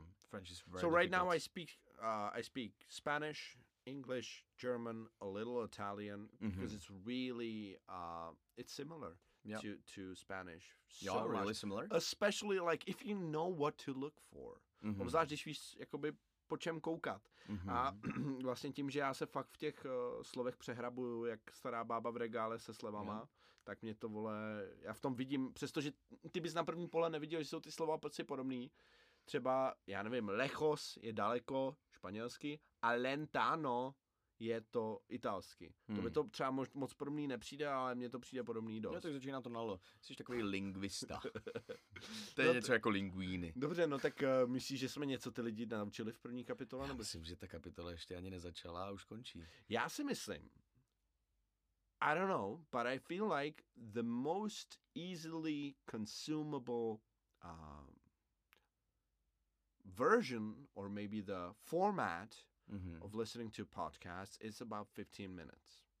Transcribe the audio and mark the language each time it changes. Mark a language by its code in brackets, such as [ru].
[en] French is very So difficult. Right now I speak Spanish, English, German, a little Italian, because it's really it's similar to Spanish. Yeah, so really similar. Especially like if you know what to look for. [cs] Obzvlášť, když víš jakoby po čem koukat. A vlastně tím, že já se fakt v těch slovech přehrabuju, jak stará bába v regále se slevama, tak mě to vole, já v tom vidím, přestože ty bys na první pole neviděl, že jsou ty slova prostě podobný. Třeba, já nevím, lejos je daleko španělsky a lentano je to italsky. To by to třeba moc podobný nepřijde, ale mně to přijde podobný dost. No tak začíná to na L. Jsi takový lingvista. To je něco jako linguíny. Dobře, no tak myslíš, že jsme něco ty lidi naučili v první kapitole? Nebo... Myslím, že ta kapitola ještě ani nezačala a už končí. Já si myslím, [en] I don't know, but I feel like the most easily consumable... version or maybe the format of listening to podcasts is about 15 minutes.